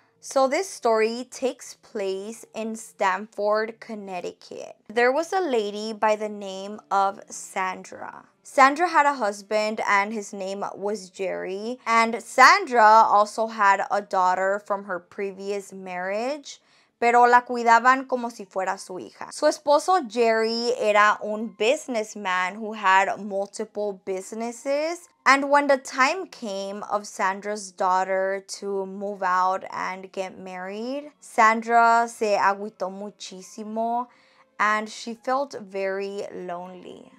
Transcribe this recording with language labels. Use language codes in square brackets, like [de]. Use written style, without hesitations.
[en] So this story takes place in Stamford, Connecticut. There was a lady by the name of Sandra. Sandra had a husband and his name was Jerry. And Sandra also had a daughter from her previous marriage. [es] Pero la cuidaban como si fuera su hija. Su esposo Jerry era un [en] businessman who had multiple businesses. And when the time came of Sandra's daughter to move out and get married, Sandra [es] se agüitó muchísimo [en] and she felt very lonely.